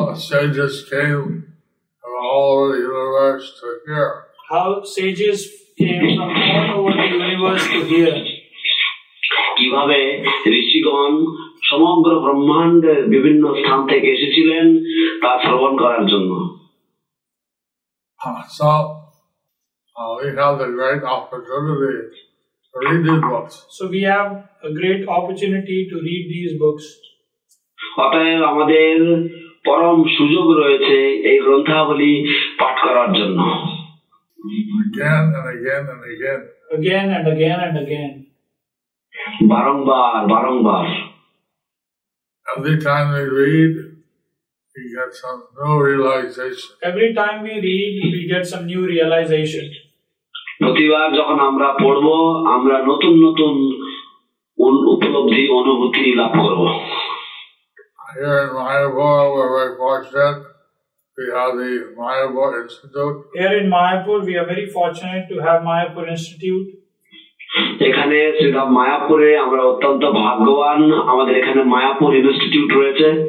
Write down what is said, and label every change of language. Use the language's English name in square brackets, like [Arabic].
[English] Sages came from all over the universe to hear. How sages came from all over the universe to hear. [Bangla] কিভাবে ঋষিগণ সমগ্র ব্রহ্মাণ্ডের বিভিন্ন স্থান থেকে এসেছিলেন তা শ্রবণ করার জন্য। [English] So we have the great opportunity. Read these books. So we have a great opportunity to read these books. [Bangla] অতএব আমাদের পরম সুযোগ রয়েছে এই গ্রন্থাবলী পাঠ করার জন্য। [English] Again and again and again. Again and again and again. [Bangla] বারংবার বারংবার. [English] Every time we read, we get some new realization. Every time we read, we get some new realization. [Bangla] প্রতিবার যখন আমরা পড়ব আমরা নতুন নতুন উপলব্ধি অনুভূতি লাভ করব। [English] Here in Mayapur we are very fortunate. We have the Mayapur Institute. Here in Mayapur we are very fortunate to have Mayapur Institute. [Bangla] এখানে শ্রীমদ মায়াপুরে আমরা অত্যন্ত ভাগ্যবান, আমাদের এখানে মায়াপুর ইনস্টিটিউট রয়েছে।